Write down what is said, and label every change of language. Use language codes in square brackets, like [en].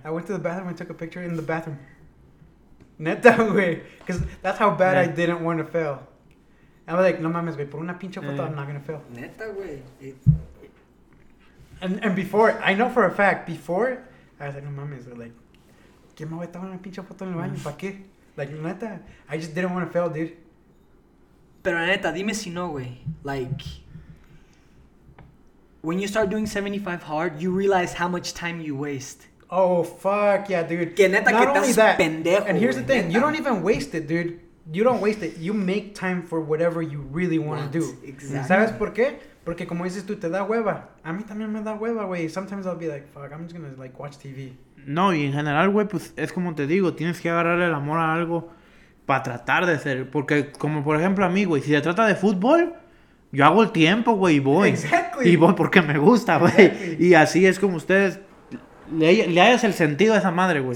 [en] I went to the bathroom and took a picture in the bathroom. [es] Neta, güey. [en] Because that's how bad I didn't want to fail. I was like, [es] no mames, güey. Por una pinche foto, [en] I'm not going to fail. [es] Neta, güey. [en] And before, I know for a fact, before, I was like, [es] no mames, güey. Like, ¿qué me voy a tomar una pinche foto en el baño? ¿Para qué? [en] Like, neta, I just didn't want to fail, dude. [es] Pero neta, dime si no, güey. [en] Like, when you start doing 75 hard, you realize how much time you waste. Oh, fuck, yeah, dude. [es] Que neta, [en] not que only that, pendejo, and here's the thing, neta. You don't even waste it, dude. You don't waste it. You make time for whatever you really want to do. Exactly. [es] ¿Sabes por qué? Porque como dices tú, te da hueva. A mí también me da hueva, güey. [en] Sometimes I'll be like, fuck, I'm just going to, like, watch TV. [es] No, y en general, güey, pues es como te digo, tienes que agarrarle el amor a algo para tratar de hacer. Porque como, por ejemplo, a mí, güey, si se trata de fútbol, yo hago el tiempo, güey, y voy. [en] Exactly. [es] Y voy porque me gusta, güey. [en] Exactly. [es] Y así es como ustedes... Le hayas el sentido a esa madre, güey.